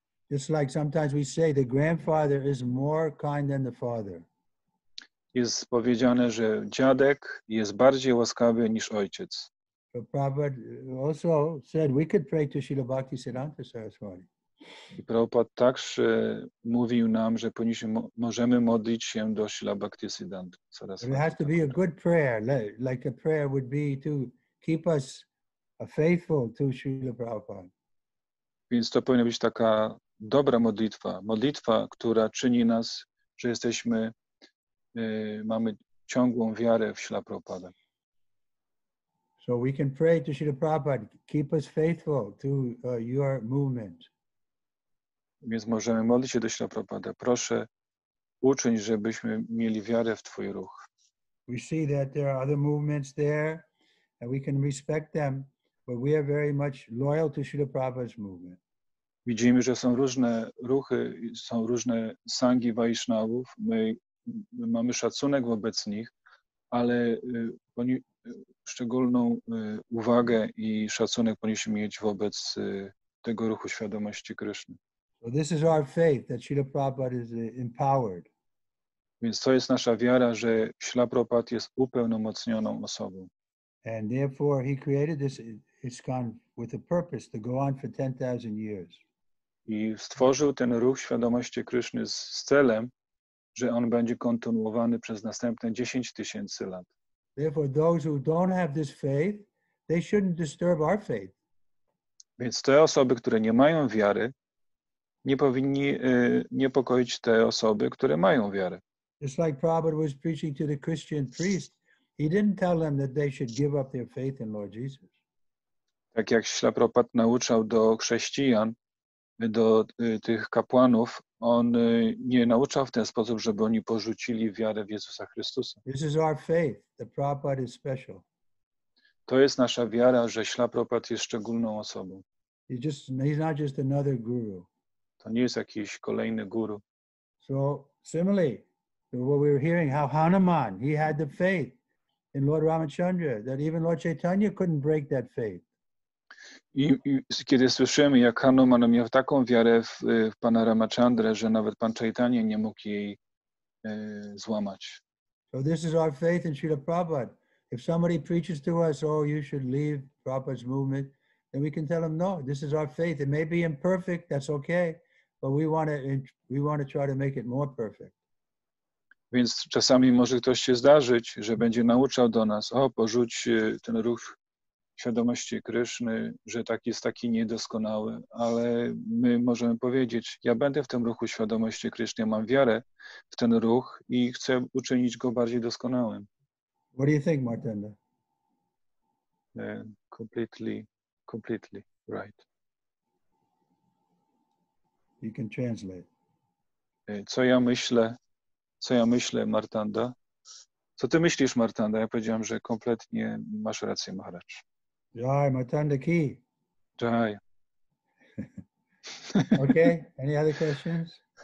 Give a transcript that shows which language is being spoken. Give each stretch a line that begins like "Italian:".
English: Just like sometimes we say, the grandfather is more kind than the father.
Polish: Jest powiedziane, że dziadek jest bardziej łaskawy niż ojciec.
English: But Prabhupada also said we could pray to Śrīla Bhaktisiddhanta Saraswati.
Polish: I Prabhupada także mówił nam, że możemy modlić się do Śrīla Bhaktisiddhanta Saraswati.
English: It has to be a good prayer, like a prayer would be to keep us faithful to Śrīla Prabhupada.
Polish: Więc to powinna być taka dobra modlitwa. Modlitwa, która czyni nas, że jesteśmy, mamy ciągłą wiarę w Śrīla Prabhupada.
English: So we can pray to Śrīla Prabhupada, keep us faithful to your movement.
Polish: Więc możemy modlić się do Śrīla Prabhupada. Proszę, uczyń, żebyśmy mieli wiarę w Twój ruch.
English: We see that there are other movements there, and we can respect them, but we are very much loyal to Śrīla Prabhupada's movement.
Polish: Widzimy, że są różne ruchy, są różne sangi Vaishnavów. My mamy szacunek wobec nich, ale oni szczególną uwagę i szacunek powinniśmy mieć wobec tego ruchu świadomości Kryszny.
English: So this is our faith that Śrīla Prabhupada is empowered.
Polish: Więc to jest nasza wiara, że Śrīla Prabhupada jest upełnomocnioną osobą.
English: And therefore he created this ISKCON with a purpose to go on for 10,000 years.
Polish: I stworzył ten ruch świadomości Kryszny z celem, że on będzie kontynuowany przez następne 10 tysięcy lat.
English: Therefore, those who don't have this faith, they shouldn't disturb our faith.
Polish: Więc te osoby, które nie mają wiary, nie powinni niepokoić te osoby, które mają wiarę.
English: Just like Prabhupada was preaching to the Christian priest, he didn't tell them that they should give up their faith in Lord Jesus.
Polish: Tak jak Śrīla Prabhupada nauczał do chrześcijan, do tych kapłanów, on nie nauczał w ten sposób, żeby oni porzucili wiarę w Jezusa Chrystusa.
English: This is our faith. The Prabhupada is special.
Polish: To jest nasza wiara, że Śrīla Prabhupada jest szczególną osobą.
English: He's not just another guru.
Polish: To nie jest jakiś kolejny guru.
English: So similarly, what we were hearing, how Hanuman, he had the faith in Lord Ramachandra, that even Lord Chaitanya couldn't break that faith.
Polish: I kiedy słyszymy, jak Hanuman miał taką wiarę w Pana Ramachandrę, że nawet Pan Chaitanya nie mógł jej złamać.
English: So this is our faith in Srila Prabhupada. If somebody preaches to us, oh, you should leave Prabhupada's movement, then we can tell them, no, this is our faith. It may be imperfect, that's okay, but we want to try to make it more perfect.
Polish: Więc czasami może ktoś się zdarzyć, że będzie nauczał do nas, o, porzuć ten ruch świadomości Kryszny, że tak jest taki niedoskonały, ale my możemy powiedzieć, ja będę w tym ruchu świadomości Kryszny, ja mam wiarę w ten ruch i chcę uczynić go bardziej doskonałym.
English: What do you think, Martenda? Completely right. You can translate.
Polish: Co ja myślę, Martanda? Co ty myślisz, Martanda? Ja powiedziałem, że kompletnie masz rację, Maharaj. Jai, Martanda ki. Jai.
English: Okay, any other questions?